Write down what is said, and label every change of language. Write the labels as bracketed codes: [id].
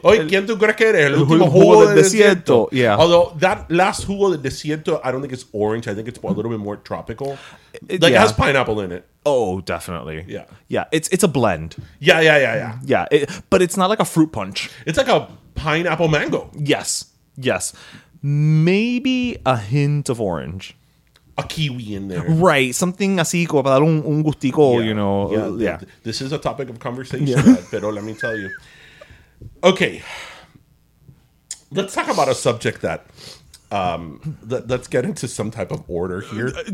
[es] Oye, ¿quién tú crees que eres? El último jugo del desierto. [en] Yeah. Although that last [es] jugo del desierto, [en] I don't think it's orange. I think it's a little bit more tropical. It has pineapple in it. Oh, definitely. Yeah. Yeah. It's a blend. Yeah. Yeah. Yeah. Yeah. Yeah. But it's not like a fruit punch. It's like a pineapple mango. Yes. Yes. Maybe a hint of orange. A kiwi in there. Right. Something [es] así como para dar un gustico, yeah. [en] You know. Yeah. Yeah. This is a topic of conversation, yeah. [es] Pero [en] let me tell you. Okay. Let's talk about a subject that... let's get into some type of order here.